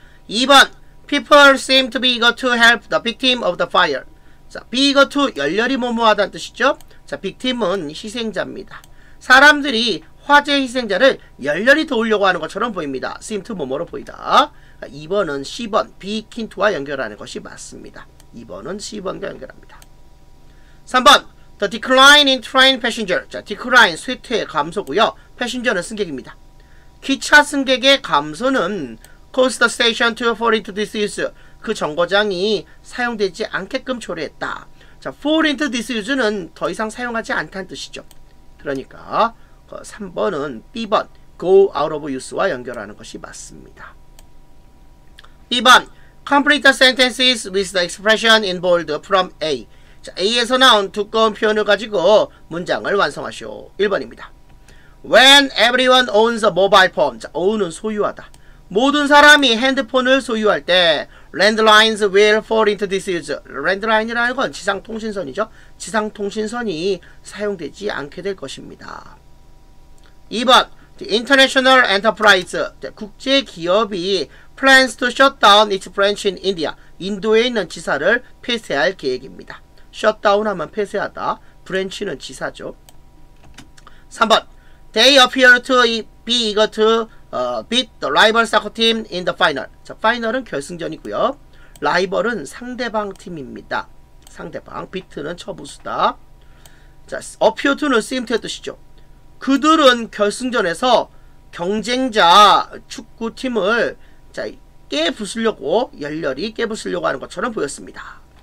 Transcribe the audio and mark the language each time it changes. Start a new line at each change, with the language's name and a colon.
English: 2번 People seem to be eager to help the victim of the fire.
Korean: 자, be eager to 열렬히 모모하다는 뜻이죠. 자, victim은 희생자입니다. 사람들이 화재 희생자를 열렬히 도우려고 하는 것처럼 보입니다. seem to 뭐뭐로 보이다. 2번은 C번, be keen to와 연결하는 것이 맞습니다. 2번은 C번과 연결합니다. 3번,
English: the decline in train passenger.
Korean: 자, decline, 쇠퇴, 감소고요. 패신저는 승객입니다. 기차 승객의 감소는 코스터 스테이션 to fall into disuse, 그 정거장이 사용되지 않게끔 초래했다. 자, fall into disuse는 더 이상 사용하지 않다는 뜻이죠. 그러니까 3번은 B번, go out of use와 연결하는 것이 맞습니다.
English: B번, complete the sentences with the expression in bold from A.
Korean: 자, A에서 나온 두꺼운 표현을 가지고 문장을 완성하시오.
English: 1번입니다. When everyone owns a mobile phone.
Korean: 자, own은 소유하다. 모든 사람이 핸드폰을 소유할 때
English: landlines will fall into disuse.
Korean: landline이라는 건 지상통신선이죠. 지상통신선이 사용되지 않게 될 것입니다.
English: 2번, the international enterprise.
Korean: 자, 국제기업이
English: plans to shut down its branch in India.
Korean: 인도에 있는 지사를 폐쇄할 계획입니다. shut down 하면 폐쇄하다. 브랜치는 지사죠.
English: 3번, they appear to be eager to beat the rival soccer team in the final.
Korean: 자, 파이널은 결승전이고요. 라이벌은 상대방 팀입니다. 상대방, beat는 처부수다. 자, appear to는 쓰임태의 뜻이죠. 그들은 결승전에서 경쟁자 축구팀을 자, 깨부수려고, 열렬히 깨부수려고 하는 것처럼 보였습니다.